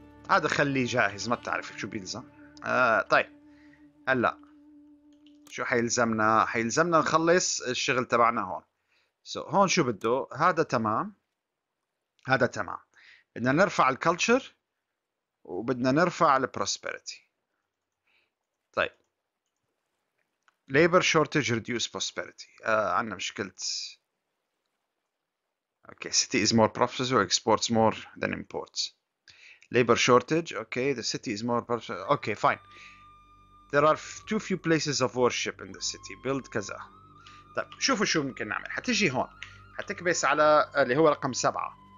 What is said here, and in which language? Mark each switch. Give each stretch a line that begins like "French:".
Arabic: هذا خليه جاهز، ما بتعرف شو بيلزم. طيب هلا شو حيلزمنا؟ حيلزمنا نخلص الشغل تبعنا هون. سو هون شو بده؟ هذا تمام، هذا تمام. بدنا نرفع الكلتشر وبدنا نرفع البروسبرتي. طيب
English: labor shortage reduce prosperity.
Arabic: عندنا مشكلة.
English: Okay, city is more profitable, exports more than imports. Labor shortage. Okay, the city is more profitable. Okay, fine. There are too few places of worship in the city. Build
Arabic: كذا. طيب شوفوا شو ممكن نعمل. هتجي هون. هتكبس على اللي هو رقم سبعة.